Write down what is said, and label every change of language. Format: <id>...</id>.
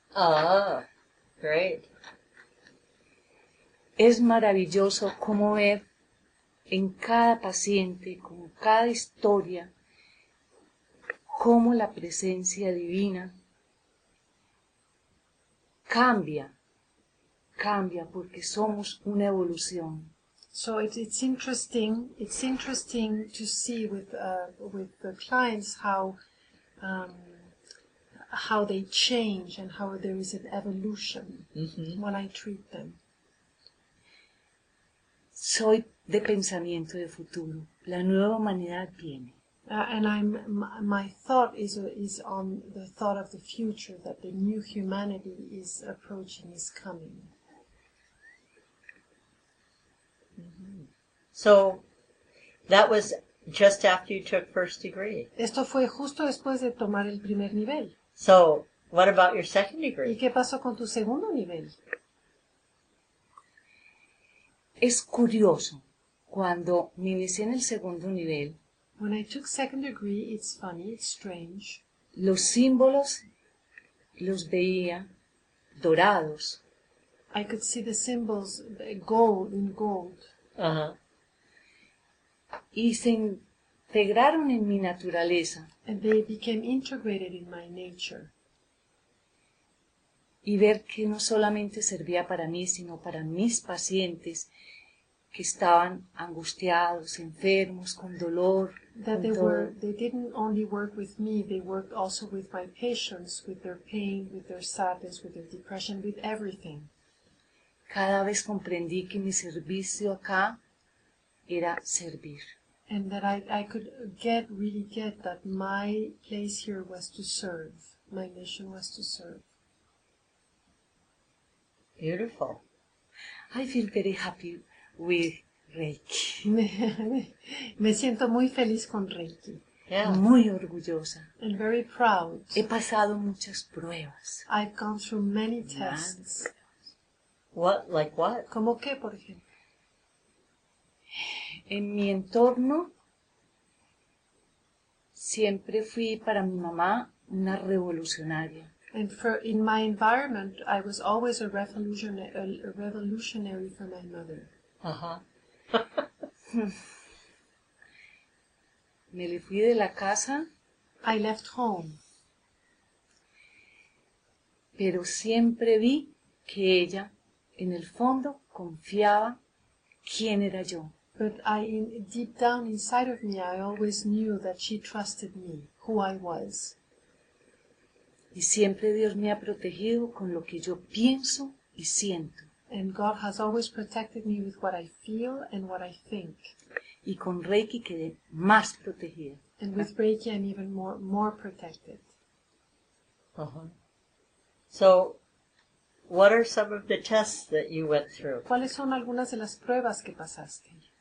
<en>Ah, great.</en> <es>Es maravilloso cómo ver en cada paciente, con cada historia, cómo la presencia divina cambia porque somos una evolución.</es> <en>So it's interesting to see with the clients how they change and how there is an evolution when I treat them.</en> <es>Soy de pensamiento de futuro. La nueva humanidad viene.</es> <en>And I'm my thought is on the thought of the future, that the new humanity is approaching, is coming. Mm-hmm. So that was just after you took first degree.</en> <es>Esto fue justo después de tomar el primer nivel.</es> <en>So what about your second degree?</en> <es>¿Y qué pasó con tu segundo nivel? Es curioso, cuando me inicié en el segundo nivel,</es> <en>when I took second degree, it's funny, it's strange.</en> <es>Los símbolos los veía dorados.</es> <en>I could see the symbols gold, in gold.</en> <es>Uh-huh. Y se integraron en mi naturaleza.</es> <en>And they became integrated in my nature.</en> <es>Y ver que no solamente servía para mí, sino para mis pacientes, que estaban angustiados, enfermos, con dolor.</es> <en>That they didn't only work with me, they worked also with my patients, with their pain, with their sadness, with their depression, with everything.</en> <es>Cada vez comprendí que mi servicio acá era servir.</es> <en>And that I could really get that my place here was to serve, my mission was to serve. Beautiful. I feel very happy with Reiki.</en> <es>Me siento muy feliz con Reiki. Yeah. Muy orgullosa.</es> <en>And very proud.</en> <es>He pasado muchas pruebas.</es> <en>I've gone through many tests. What? Like what?</en> <es>¿Cómo qué, por ejemplo? En mi entorno, siempre fui para mi mamá una revolucionaria.</es> <en>And for in my environment, I was always a revolutionary for my mother.</en> <es>Me le fui de la casa.</es> <en>I left home.</en> <es>Pero siempre vi que ella, en el fondo, confiaba quién era yo.</es> <en>But deep down inside of me, I always knew that she trusted me, who I was.</en> <es>Y siempre Dios me ha protegido con lo que yo pienso y siento.</es> <en>And God has always protected me with what I feel and what I think.</en> <es>Y con Reiki quedé más protegida.</es> <en>And with Reiki I'm even more protected. Uh-huh. So, what are some of the tests that you went through?</en> <es>¿Cuáles son algunas de las pruebas que pasaste?</es>